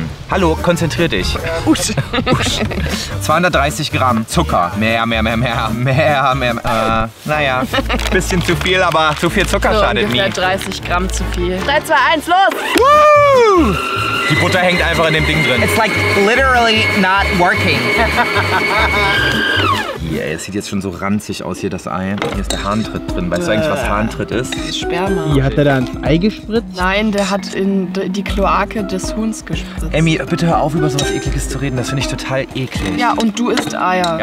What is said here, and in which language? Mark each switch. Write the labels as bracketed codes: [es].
[de] Hallo, konzentrier dich. Usch. 230 Gramm Zucker. Mehr. Naja, bisschen zu viel, aber zu viel Zucker so schadet mir. 30 Gramm zu viel. 3, 2, 1, los! Woo! Die Butter hängt einfach in dem Ding drin. [en] It's like literally not working. [de] Yeah, es sieht jetzt schon so ranzig aus hier, das Ei. Hier ist der Harntritt drin. Weißt du eigentlich, was Harntritt ist? Sperma. Wie, hat er da ins Ei gespritzt? Nein, der hat in die Kloake des Huhns gespritzt. Emmy, bitte hör auf, über sowas Ekliges zu reden. Das finde ich total eklig. Ja, und du isst Eier. Ja,